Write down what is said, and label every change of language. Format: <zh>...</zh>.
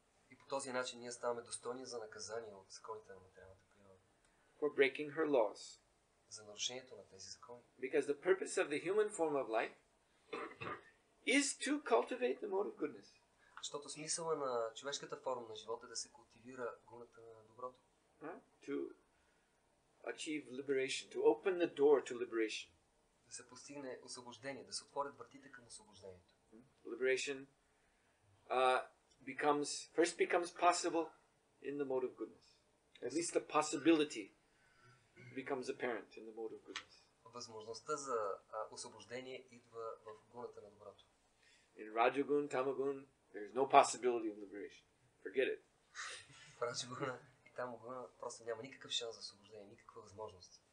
<bg>И по този начин ние ставаме достойни за наказание от законите на материалната природа.</bg> <en>For breaking her laws.</en> <bg>За нарушението на тези закони.</bg> <en>Because the purpose of the human form of life is to cultivate the mode of goodness.</en> <bg>Защото смисълът на човешката форма на живота е да се култивира гуната на доброто.</bg> <en>Achieve liberation, to open the door to liberation.</en> <bg>Да се постигне освобождение, да се отворят вратите към освобождението.</bg> <en>Liberation becomes possible in the mode of goodness. At least the possibility becomes apparent in the mode of goodness.</en> <bg>Възможността за освобождение идва в гуната на доброто.</bg> <en>In Rajagun, Tamagun, there is no possibility of liberation. Forget it. Rajaguna.</en> <bg>Там гуна просто няма никакъв шанс за освобождение, никаква възможност.</bg>